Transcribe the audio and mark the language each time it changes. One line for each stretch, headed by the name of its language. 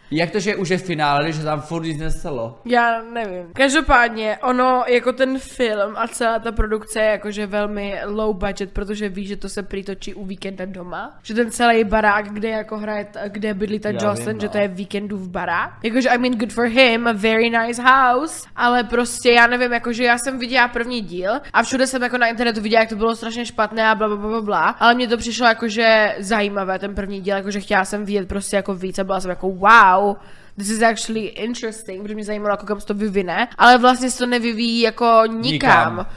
Czech: Jak to, že už je finále, že tam furt nic nestalo? Já nevím. Každopádně, ono, jako ten film a celá ta produkce je jakože velmi
English: low budget,
Czech: protože ví, že to se přitočí u víkenda doma. Že ten celý barák, kde jako hraje, kde bydlí ta Jocelyn, že to je víkendův barák. Jakože,
English: I mean, good for him, a very nice house.
Czech: Ale prostě, já nevím, jakože já jsem viděla první díl a všude jsem jako na internetu viděla, jak to bylo strašně špatné a blablabla. Ale mně to přišlo jakože zajímavé, ten první díl, jakože chtěla jsem vidět prostě jako víc a byla jsem jako wow.
English: Wow, this is actually interesting,
Czech: protože mě zajímalo, jako kam se to vyvine, ale vlastně se to nevyvíjí jako nikam.